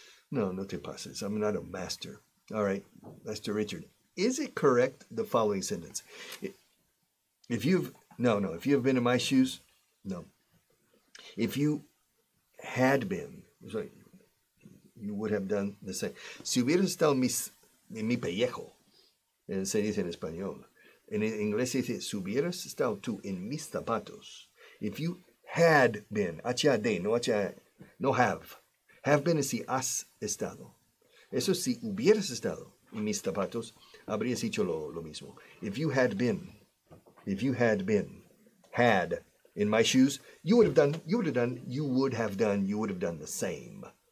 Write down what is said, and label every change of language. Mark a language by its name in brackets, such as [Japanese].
[Spanish] No, no te pases, [English] I'm not a master. All right, Master Richard, is it correct the following sentence? If you have been in my shoes, no. If you had been, sorry, you would have done the same. [Spanish] Si hubieras estado en mi pellejo, se dice en español. En inglés se dice, si hubieras estado tú en mis zapatos. [English] If you had been, H-A-D, no have. [Spanish] Have been es si has estado. Eso si hubieras estado en mis zapatos, habrías dicho lo mismo. [English] If you had been. If you had been, had in my shoes, you would have done the same.